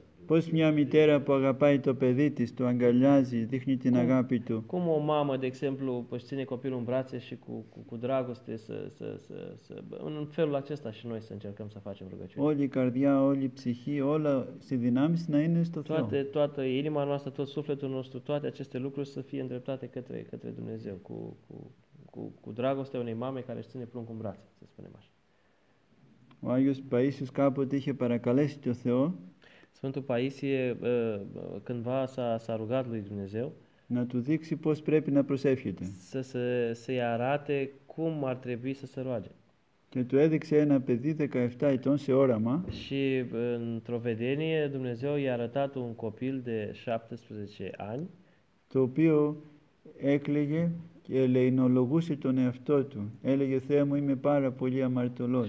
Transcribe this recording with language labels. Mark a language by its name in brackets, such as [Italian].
[Greek] Πώς μια μητέρα που αγαπάει το παιδί της, το αγκαλιάζει, δείχνει την αγάπη του. [Romanian] Cum o mamă, de exemplu, își ține copilul în brațe și cu dragoste să în felul acesta și noi să încercăm să facem rugăciune. [Greek] Όλη η καρδιά, όλη η ψυχή, όλα στη δυνάμιση να είναι στο Θεό. [Romanian] Toată inima noastră, tot sufletul nostru, toate aceste lucruri să fie îndreptate către Dumnezeu, cu dragostea unei mame care își ține pruncul în brațe, să spunem așa. [Greek] Ο Άγιος Παΐσιος κάποτε είχε παρακαλέσει το Θεό. [Romanian] Sfântul Paisie cândva s-a rugat lui Dumnezeu [Greek] να του δείξει πώς πρέπει να προσεύχεται. [Romanian] Să-i arate cum ar trebui să se roage. [Greek] Και του έδειξε ένα παιδί 17 ετών σε όραμα. [Romanian] Și într-o vedenie Dumnezeu i-a arătat un copil de 17 ani. [Greek] Το οποίο έκλαιγε και ελεηνολογούσε τον εαυτό του. Έλεγε, Θεέ μου, είμαι πάρα πολύ αμαρτωλός.